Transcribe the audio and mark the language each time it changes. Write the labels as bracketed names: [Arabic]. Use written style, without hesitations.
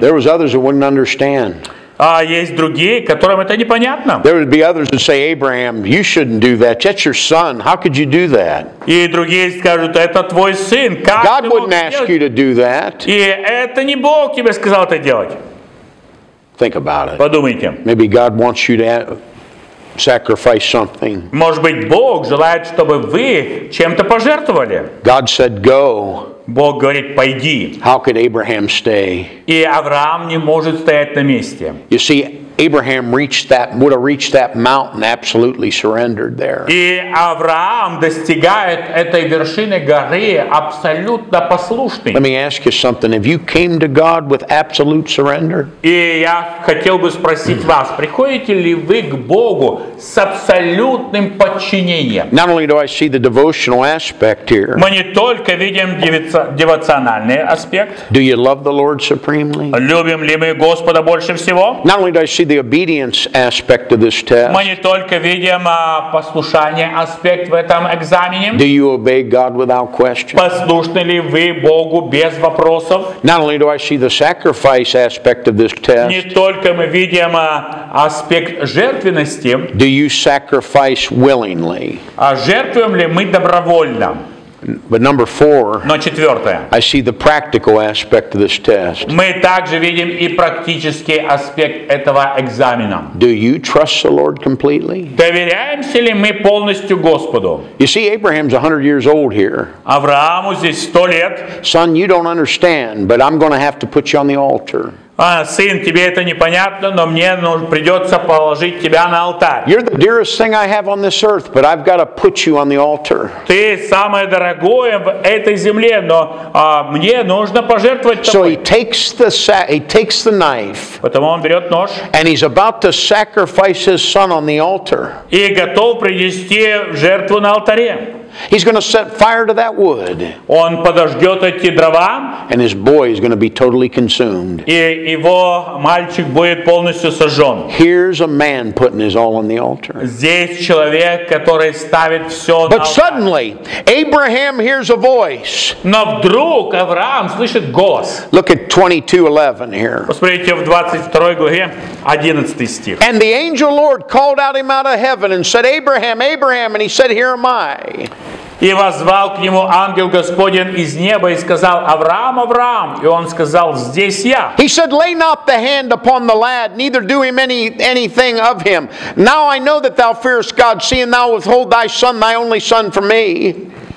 [English] There was others that wouldn't understand. [Russian] А есть другие, которым это непонятно. [English] There would be others that say, Abraham, you shouldn't do that. That's your son. How could you do that? [Russian] И другие скажут, это твой сын. Как ты мог [English] God wouldn't ask you to do that. [Russian] И это не Бог тебе сказал это делать. [English] Think about it. [Russian] Подумайте. [English] Maybe God wants you to sacrifice something. [Russian] Может быть, Бог желает, чтобы вы чем-то пожертвовали. [English] God said, "Go." [Russian] Бог говорит, пойди. [English] How could Abraham stay? [Russian] И Авраам не может стоять на месте. [English] You see, Abraham would have reached that mountain absolutely surrendered there. [Russian] И Авраам достигает этой вершины горы абсолютно послушный. [English] Let me ask you something. If you came to God with absolute surrender? [Russian] И я хотел бы спросить вас, приходите ли вы к Богу с абсолютным подчинением? [English] Not only do I see the devotional aspect here. [Russian] Мы не только видим девоциональный аспект. [English] Do you love the Lord supremely? [Russian] Любим ли мы Господа больше всего? [English] Not only do I see the obedience aspect of this test. [Russian] Мы не только видим послушание аспект в этом экзамене. [English] Do you obey God without question? [Russian] Послушны ли вы Богу без вопросов? [English] Not only do I see the sacrifice aspect of this test. [Russian] Не только мы видим аспект жертвенности. [English] Do you sacrifice willingly? [Russian] А жертвуем ли мы добровольно? [English] But number four, I see the practical aspect of this test. [Russian] Мы также видим и практический аспект этого экзамена. [English] Do you trust the Lord completely? [Russian] Доверяемся ли мы полностью Господу? [English] You see, Abraham's 100 years old here. [Russian] Аврааму здесь 100 лет. [English] Son, you don't understand, but I'm going to have to put you on the altar. [Russian] Сын, тебе это непонятно, но мне придется положить тебя на алтарь. [English] You're the dearest thing I have on this earth, but I've got to put you on the altar. [Russian] Ты самое дорогое в этой земле, но мне нужно пожертвовать тобой. [English] So he takes the knife. [Russian] Потом он берет нож. [English] And he's about to sacrifice his son on the altar. [Russian] И готов принести жертву на алтаре. [English] He's going to set fire to that wood. [Russian] Он подожжет эти дрова. [English] And his boy is going to be totally consumed. [Russian] И его мальчик будет полностью сожжен. [English] Here's a man putting his all on the altar. [Russian] Здесь человек, который ставит все на алтарь. [English] But suddenly, Abraham hears a voice. [Russian] Но вдруг Авраам слышит голос. [English] Look at 22:11 here. [Russian] Посмотрите в 22 главе 11 стих. [English] And the angel Lord called out him out of heaven and said, Abraham, Abraham, and he said, Here am I. [Russian] И воззвал к нему ангел Господень из неба и сказал: Авраам, Авраам. И он сказал: Здесь я. [English] He said, Lay not the hand upon the lad, neither do him anything of him. Now I know that thou fearest God, seeing thou withhold thy son, thy only son, from me.